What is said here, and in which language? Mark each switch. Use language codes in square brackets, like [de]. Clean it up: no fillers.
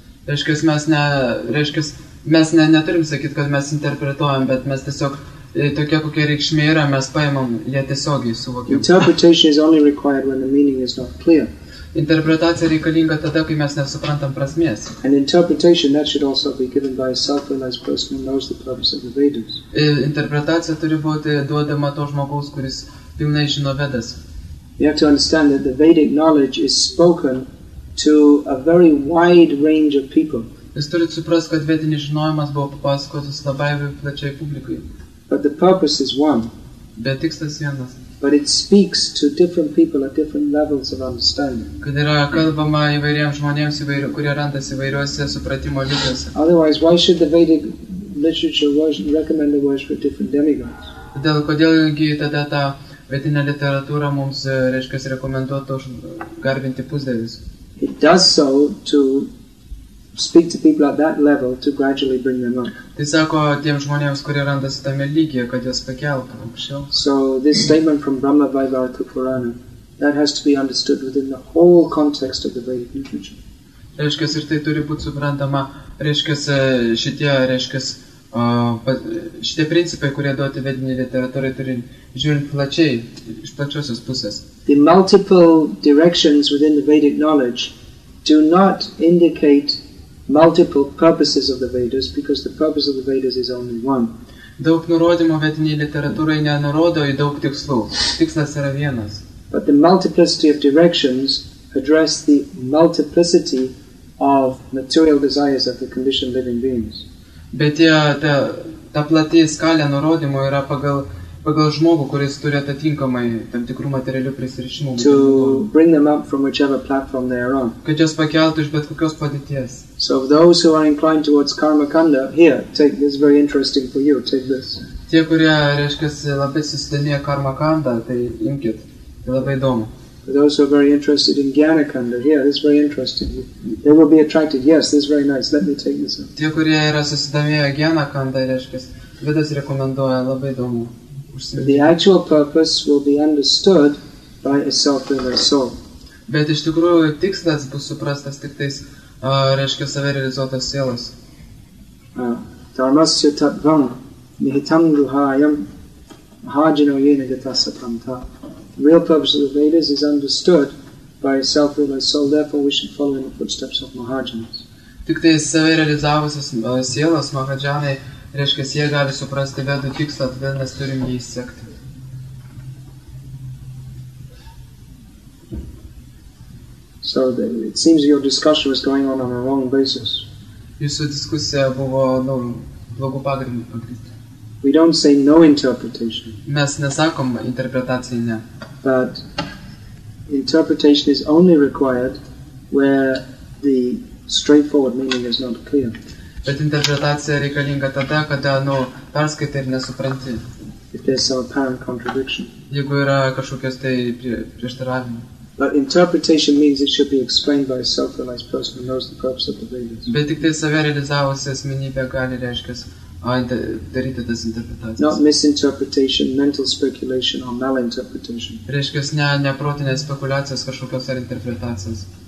[lt] Reiškia, mes neturim sakyti, kad mes interpretuojam, bet mes tiesiog tokia, kokia reikšmė yra, mes paimam ją tiesiogiai suvokiam. [en] Interpretation is only required when the meaning is not clear. [lt] Interpretacija reikalinga tada, kai mes nesuprantam prasmės. [en] And interpretation that should also be given by a self-realized person who knows the purpose of the Vedas. [lt] Interpretacija turi būti duodama to žmogaus, kuris pilnai žino Vedas. [en] You have to understand that the Vedic knowledge is spoken to a very wide range of people. [lt] Jūs turite suprasti, kad vedinis žinojimas buvo papasakotas labai plačiai publikai. [en] But the purpose is one. [lt] Bet tikslas vienas. [en] But it speaks to different people at different levels of understanding. [lt] Kad yra kalbama įvairiems žmonėms, kurie randasi įvairiuose supratimo lygiuose. [en] Otherwise, why should the Vedic literature recommend the worship of different demigods? [lt] Kodėlgi tada ta vedinė literatūra mums, reiškia, rekomenduotų garbinti pusdievius? [en] It does so to speak to people at that level to gradually bring them up. [lt] Tai sako tiems žmonėms, kurie randasi tame lygyje, kad juos pakeltų aukščiau. [en] So this statement from Brahma Vaivarta Purana, that has to be understood within the whole context of the Vedic literature. [lt] Reiškia, ir tai turi būti suprantama, šitie principai, kurie duoti vediniai literatūrai, turi žiūrint plačiai, iš plačiosios pusės. [en] The multiple directions within the Vedic knowledge do not indicate multiple purposes of the Vedas, because the purpose of the Vedas is only one. [lt] Daug nurodymų vediniai literatūrai nenurodo į daug tikslų. Tikslas yra vienas. [en] But the multiplicity of directions address the multiplicity of material desires of the conditioned living beings. [lt] Bet ta plati skalė nurodymų yra pagal žmogų, kuris turi atitinkamai tam tikrų materialių prisirišimų. [en] To bring them up from whichever platform they are on. [lt] Kad jos pakeltų iš bet kokios padėties. [en] So those who are inclined towards karma kanda, here, take this, very interesting for you, take this. [lt] Tie, kurie, labai susidomėję karma kanda, tai imkit, tai labai įdomu. [en] For those who are very interested in jnana kanda, here, this is very interesting. They will be attracted, yes, this is very nice, let me take this up. [lt] Tie, kurie yra susidomėję jnana kanda, Vedas rekomenduoja, labai įdomu. [en] The actual purpose will be understood by a self-realized soul. [lt] Bet iš tikrųjų tikslas bus suprastas tik tais, reiškia, save realizuotas sielas. [sa] Dharmasya tatvam nihitam guhayam mahajino yena gatasa pramta. [en] The real purpose of the Vedas is understood by a self-realized soul, therefore we should follow in the footsteps of mahajanas. [lt] Tik tais save realizavusias sielas, mahajanai, reiškia, jie gali suprasti vedų tikslą, todėl mes turim jį sekti. [en] So it seems your discussion was going on a wrong basis. [lt] Jūsų diskusija buvo blogų pagrindų pagrįsta. [en] We don't say no interpretation. [lt] Mes nesakom interpretacijai ne. [en] But interpretation is only required where the straightforward meaning is not clear. [lt] Bet interpretacija reikalinga tada, kada perskaitai ir nesupranti. [en] If there's some apparent contradiction. [lt] Jeigu yra kažkokios tai prieštaravimai. [en] But interpretation means it should be explained by a self-realized person who knows the purpose of the Vedas. [lt] Bet tik tai save realizavusi asmenybė gali, daryti tas interpretacijas. [en] Not misinterpretation, mental speculation or malinterpretation. [lt] Reiškias, ne protinės spekulacijos kažkokios ar interpretacijos.